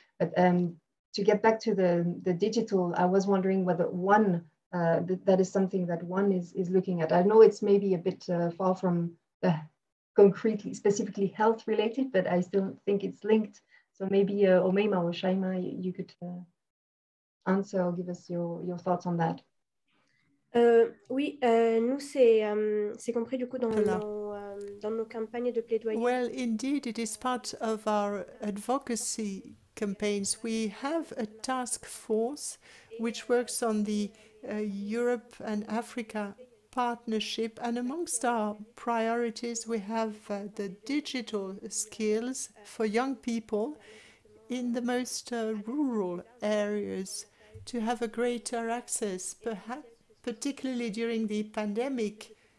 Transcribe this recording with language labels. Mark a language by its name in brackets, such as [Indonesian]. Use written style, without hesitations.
[English] But to get back to the digital, I was wondering whether that is something that One is looking at. I know it's maybe a bit far from the concretely, specifically health related, but I still think it's linked. So maybe Omeïma or Chaimaa, you could answer or give us your thoughts on that. [French] Oui, nous c'est compris du coup dans nos, dans nos campagnes de plaidoyer. [English] Well, indeed, it is part of our advocacy campaigns. We have a task force which works on the Europe and Africa partnership, and amongst our priorities, we have the digital skills for young people in the most rural areas to have a greater access, perhaps particularly during the pandemic.